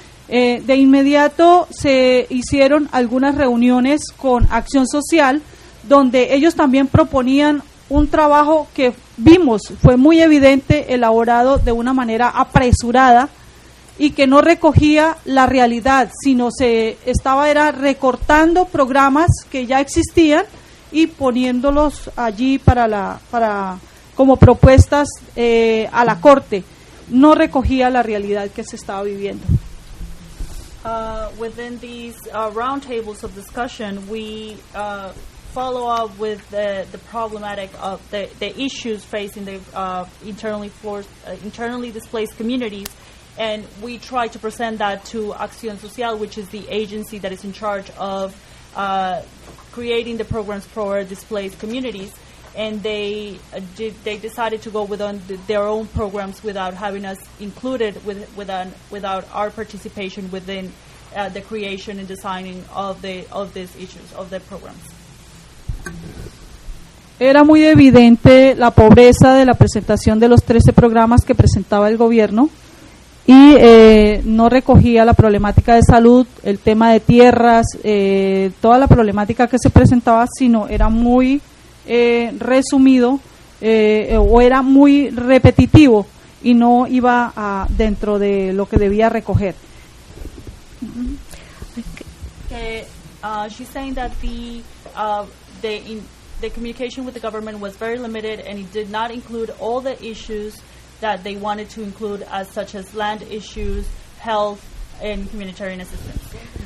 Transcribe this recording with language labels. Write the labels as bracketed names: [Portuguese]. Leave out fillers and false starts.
[Spanish] De inmediato se hicieron algunas reuniones con Acción Social, donde ellos también proponían un trabajo que vimos, fue muy evidente, elaborado de una manera apresurada y que no recogía la realidad, sino se estaba era recortando programas que ya existían y poniéndolos allí para como propuestas a la Corte. No recogía la realidad que se estaba viviendo. [English] Within these roundtables of discussion, we follow up with the problematic of the issues facing the internally displaced communities, and we try to present that to Acción Social, which is the agency that is in charge of creating the programs for displaced communities, and they decided to go with their own programs without having us included without our participation within the creation and designing of these issues of the programs. [Spanish] Era muy evidente la pobreza de la presentación de los 13 programas que presentaba el gobierno, y no recogía la problemática de salud, el tema de tierras, toda la problemática que se presentaba, sino era muy resumido o era muy repetitivo y no iba a dentro de lo que debía recoger. [English] She's saying that the communication with the government was very limited, and it did not include all the issues that they wanted to include, as such as land issues, health, and humanitarian assistance.